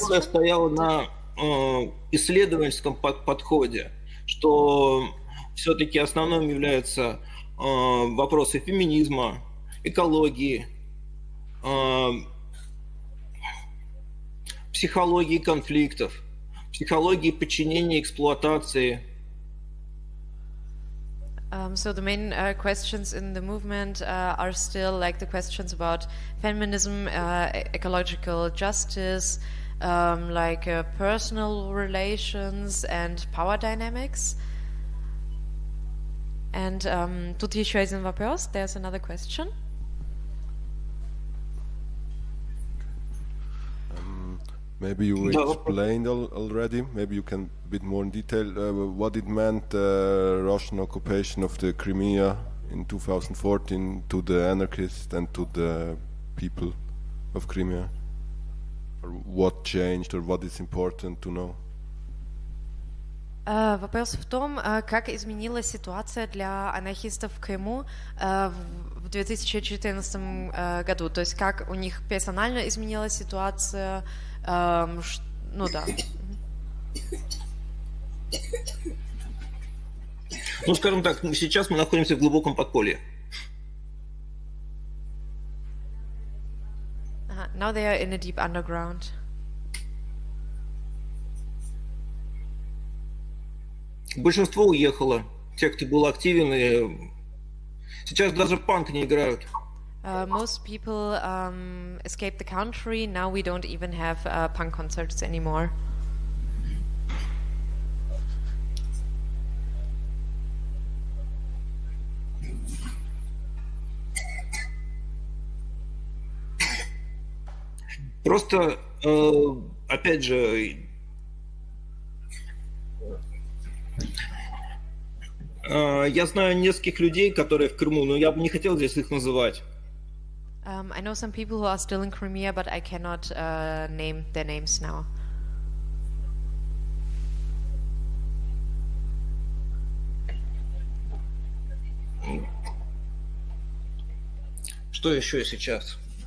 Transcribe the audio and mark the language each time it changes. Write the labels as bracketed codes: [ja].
[ru] Которая стояла на исследовательском подходе, что все-таки основным является вопросы феминизма, экологии, психологии конфликтов, психологии подчинения, эксплуатации. [en] So the main questions in the movement are still like the questions about feminism, ecological justice, like personal relations and power dynamics. And tut hier schon ein Vapers, there's another question. Maybe you explained already, maybe you can a bit more in detail, what it meant the Russian occupation of the Crimea in 2014 to the anarchists and to the people of Crimea? Or what changed or what is important to know? [ru] Вопрос в том, как изменилась ситуация для анархистов в Крыму в 2014 году, то есть как у них персонально изменилась ситуация, ну да. Ну, скажем так, сейчас мы находимся в глубоком подполье. [en] Now they are in a deep underground. [ru] Большинство уехало, те, кто был активен, и сейчас даже панк не играют. [en] Most people escaped the country, now we don't even have punk concerts anymore. [ru] Просто, опять же, я знаю нескольких людей, которые в Крыму, но я бы не хотел здесь их называть. [en] I know some people who are still in Crimea, but I cannot name their names now. [ru] Что еще сейчас?